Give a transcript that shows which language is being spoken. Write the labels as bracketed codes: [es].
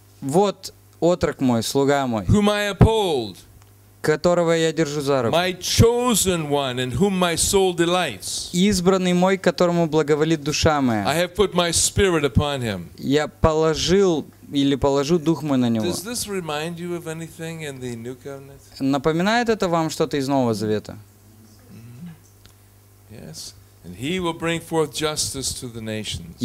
[ru] Вот отрок мой, слуга мой. [en] Whom I uphold. [ru] Которого я держу за руку. [en] My chosen one in whom my soul delights. [ru] Избранный мой, которому благоволит душа моя. [en] I have put my spirit upon him. [ru] Я положил или положу дух мой на него. [en] Does this remind you of anything in the New Covenant? [ru] Напоминает это вам что-то из Нового Завета? [en] Yes. And he will bring forth justice to the nations.